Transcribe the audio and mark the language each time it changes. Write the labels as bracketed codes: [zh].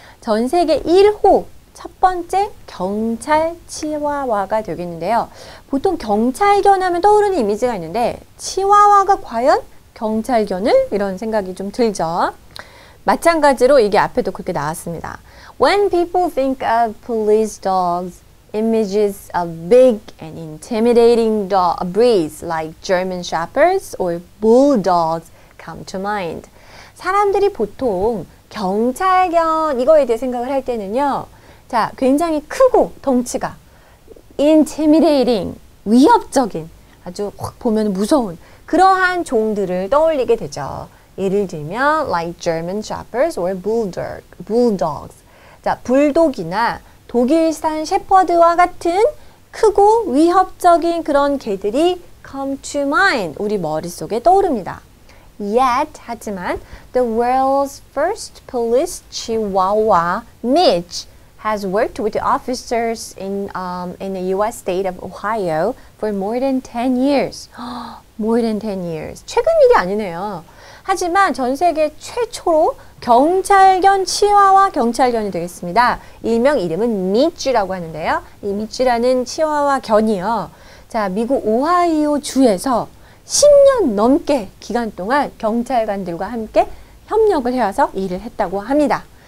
[ko] 전 세계 1호 첫 번째 경찰 치와와가 되겠는데요. 보통 경찰견 하면 떠오르는 이미지가 있는데 치와와가 과연 경찰견을? 이런 생각이 좀 들죠. 마찬가지로 이게 앞에도 그렇게 나왔습니다. [en] When people think of police dogs, images of big and intimidating dog breeds like German Shepherds or Bulldogs come to mind. [ko] 사람들이 보통 경찰견 이거에 대해 생각을 할 때는요. 자, 굉장히 크고 덩치가 intimidating, 위협적인, 아주 확 보면 무서운 그러한 종들을 떠올리게 되죠. 예를 들면 [en] like German Shepherds or Bulldogs. [ko] 자, 불독이나 독일산 셰퍼드와 같은 크고 위협적인 그런 개들이 [en] come to mind, [ko] 우리 머릿속에 떠오릅니다. [en] Yet, [ko] 하지만 [en] the world's first police chihuahua, Mitch, has worked with officers in the US state of Ohio for more than 10 years. More than 10 years. [ko] 최근 일이 아니네요. 하지만 전 세계 최초로 경찰견 치와와 경찰견이 되겠습니다. 일명 이름은 미쥬라고 하는데요. 이 미쥬라는 치와와 견이요. 자, 미국 오하이오 주에서 10년 넘게 기간 동안 경찰관들과 함께 협력을 해와서 일을 했다고 합니다.